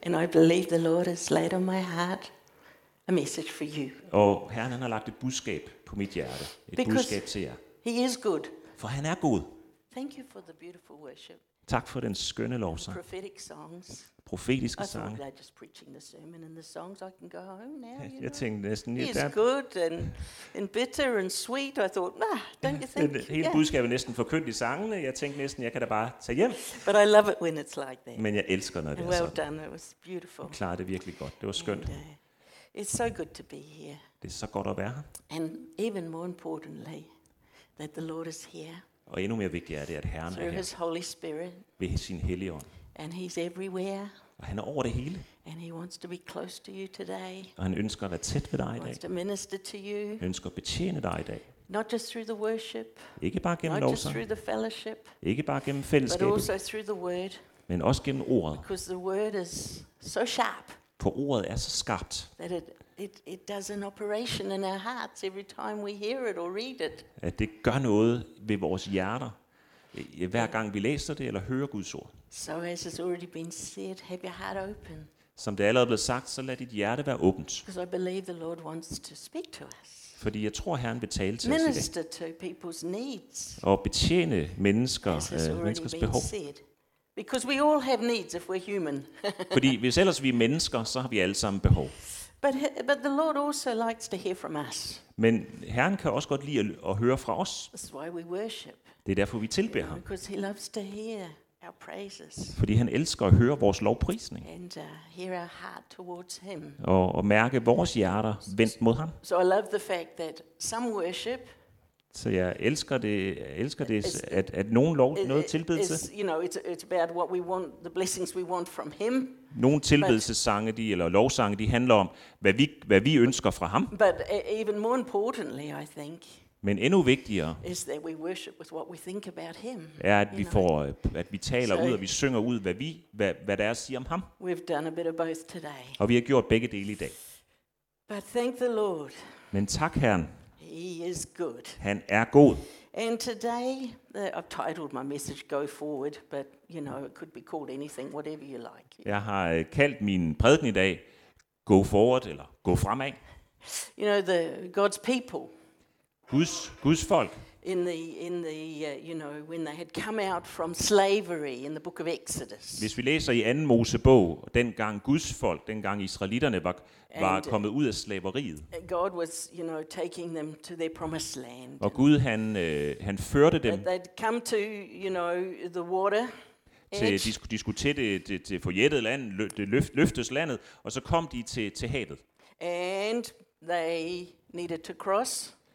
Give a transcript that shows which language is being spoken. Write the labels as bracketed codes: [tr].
[en] And I believe the Lord has laid on my heart a message for you. [da] Og Herren, han har lagt et budskab på mit hjerte. Budskab til jer. [en] He is good. [da] For han er god. [en] Thank you for the beautiful worship. [da] Tak for den skønne lovsang. [en] Prophetic songs. [da] Profetiske sange. [en] I thought just preaching the sermon and the songs, I can go home now. [da] Jeg tænkte næsten, [en] he is good and bitter and sweet. I thought, nah, don't you think? [da] Hele budskabet næsten forkyndt i sangene. Jeg tænkte næsten, jeg kan da bare tage hjem. [en] But I love it when it's like that. [da] Men jeg elsker, når det [en] well [da] er sådan. [en] Well done, it was beautiful. [da] Du klarede det virkelig godt. Det var skønt. [en] And, it's so good to be here. [da] Det er så godt at være her. [en] And even more importantly, that the Lord is here. [da] Og endnu mere vigtigt er det, at Herren [en] through [da] er her. [en] His Holy Spirit. [da] Ved sin Hellige Ånd. [en] And he's everywhere. [da] Og han er over det hele. [en] And he wants to be close to you today. [da] Og han ønsker at være tæt ved dig i dag. [en] He wants to minister to you. [da] Han ønsker at betjene dig i dag. [en] Not just through the worship. [da] Ikke bare gennem lovsang. [en] Not just through the fellowship. [da] Ikke bare gennem fællesskabet. [en] But also through the word. [da] Men også gennem ordet. [en] Because the word is so sharp. [da] For ordet er så skarpt. [en] That it does an operation in our hearts every time we hear it or read it. [da] At det gør noget ved vores hjerter. Hver gang vi læser det eller hører Guds ord. [en] So as has already been said, have your heart open. [da] Som det allerede blev sagt, så lad dit hjerte være åbent. [en] Because I believe the Lord wants to speak to us. [da] Fordi jeg tror Herren vil tale til [en] minister [da] os i dag. [en] To people's needs. [da] Og betjene menneskers behov. [en] Said. Because we all have needs if we're human. [da] Fordi hvis ellers vi er mennesker, så har vi alle sammen behov. [en] But the Lord also likes to hear from us. [da] Men Herren kan også godt lide at høre fra os. [en] That's why we worship. [da] Det er derfor vi tilbeder ham. [en] Because he loves to hear. Our praises. [da] Fordi han elsker at høre vores lovprisning. [en] And hear our heart towards him. [da] Og mærke vores hjerter vendt mod ham. [en] So I love the fact that some worship. [da] Så jeg elsker det at nogen lov noget tilbedelse. [en] You know, it's about what we want, the blessings we want from him. [da] Nogle tilbedelsessange, de eller lovsange, de handler om hvad vi ønsker fra ham. [en] But even more importantly, I think. [da] Men endnu vigtigere [en] is that we worship with what we think about him. [da] Er at vi får at vi taler so, ud og vi synger ud hvad der er at sige om ham. [en] We've done a bit of both today. [da] Og vi har gjort begge dele i dag. [en] But thank the Lord. [da] Men tak Herren. [en] He is good. [da] Han er god. [en] And today I've titled my message go forward, but you know, it could be called anything, whatever you like. [da] Jeg har kaldt min prædiken i dag [en] go forward [da] eller gå fremad. [en] You know, the God's people. [da] Guds folk. [en] In the when they had come out from slavery in the book of Exodus. [da] Hvis vi læser i anden Mosebog, dengang Guds folk, dengang israelitterne var kommet ud af slaveriet. [en] God was, you know, taking them to their promised land. [da] Og Gud han førte dem. [en] They'd come to, you know, the water. [da] De skulle til det forjættede land, løftes landet, og så kom de til havet. [en] And they needed to cross.